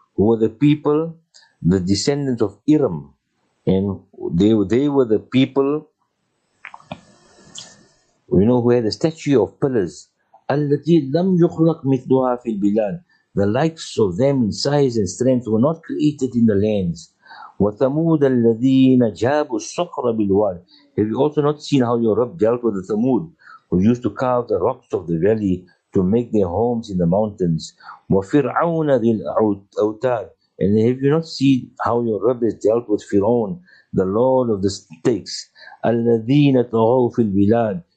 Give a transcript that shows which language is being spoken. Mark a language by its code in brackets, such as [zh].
[en] Who were the people, the descendants of Iram. And they were the people, you know, who had a statue of pillars. [ar] أَلَّتِي لَمْ يُخْلَقْ مِثْلُهَا فِي الْبِلَادِ. [en] The likes of them in size and strength were not created in the lands. [ar] وثمود الذين جابوا الصخر بالواد. [en] Have you also not seen how your Rabb dealt with the Thamud, who used to carve the rocks of the valley to make their homes in the mountains? [ar] وفرعون ذي الأوتاد. [en] And have you not seen how your Rabb has dealt with Fir'aun, the lord of the stakes? [ar] الذين طغوا في البلاد.